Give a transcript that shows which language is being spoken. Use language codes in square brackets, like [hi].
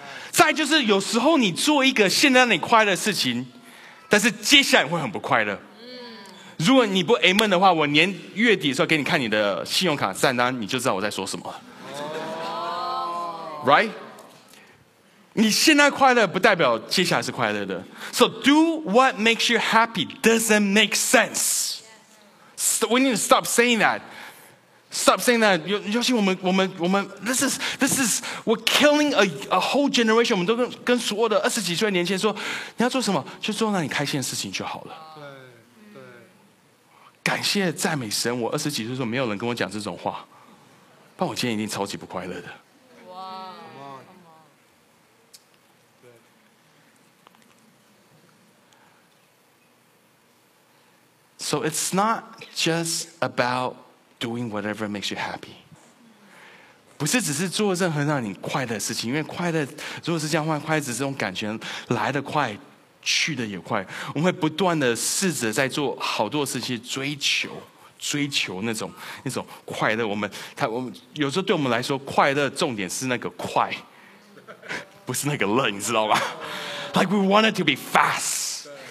[zh] 再就是有时候你做一个现在让你快乐的事情，但是接下来会很不快乐。如果你不 amen 的话，我年月底的时候给你看你的信用卡账单，你就知道我在说什么了。 [en] Right？ [zh] 你现在快乐不代表接下来是快乐的。 [en] So do what makes you happy doesn't make sense. We need to stop saying that. [zh] Stop saying that. 尤其我们 [en] This is we're killing a whole generation. [zh] 我们都跟所有的二十几岁的年轻人说，你要做什么就做让你开心的事情就好了。对，感谢赞美神，我二十几岁的时候没有人跟我讲这种话，不然我今天一定超级不快乐的。 [en] So it's not just about doing whatever makes you happy. [zh] 不是只是做任何让你快乐的事情，因为快乐如果是这样的话，快乐只是这种感觉，来得快，去得也快。我们会不断的试着在做好多事情，追求那种快乐。我们有时候对我们来说，快乐重点是那个快，不是那个乐，你知道吗？ [en] Like we want it to be fast.